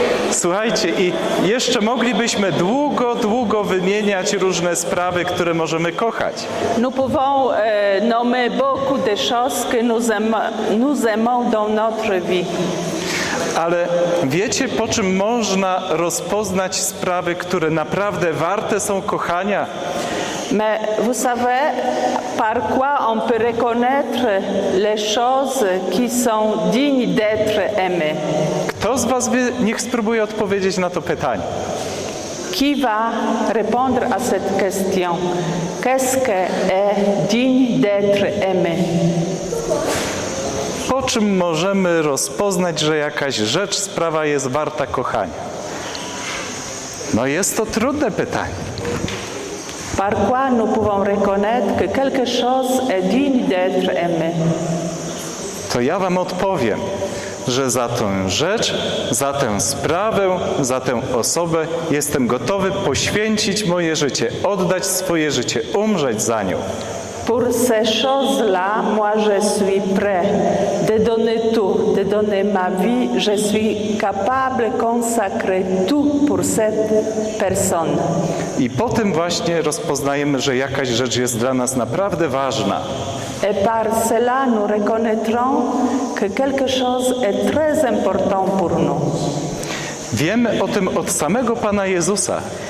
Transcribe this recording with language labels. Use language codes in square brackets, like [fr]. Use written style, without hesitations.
[pl] Słuchajcie, i jeszcze moglibyśmy długo, długo wymieniać różne sprawy, które możemy kochać. [fr] Nous pouvons nommer beaucoup de choses que nous aimons dans notre vie. [pl] Ale wiecie, po czym można rozpoznać sprawy, które naprawdę warte są kochania? [fr] Mais vous savez par quoi on peut reconnaître les choses qui sont dignes d'être aimées? [pl] Kto z was niech spróbuje odpowiedzieć na to pytanie. [fr] Qui va répondre à cette question? Qu'est-ce que est digne d'être aimé? [pl] Po czym możemy rozpoznać, że jakaś rzecz, sprawa jest warta kochania? No jest to trudne pytanie. [fr] Par quoi nous pouvons reconnaître que quelque chose est digne d'être aimé? [pl] To ja wam odpowiem, że za tę rzecz, za tę sprawę, za tę osobę jestem gotowy poświęcić moje życie, oddać swoje życie, umrzeć za nią. [fr] Pour ces choses-là, moi je suis prêt de donner tout, de donner ma vie, je suis capable de consacrer tout pour cette personne. [pl] I po tym właśnie rozpoznajemy, że jakaś rzecz jest dla nas naprawdę ważna. [fr] Et par cela, nous reconnaîtrons que quelque chose est très important pour nous. [pl] Wiemy o tym od samego Pana Jezusa.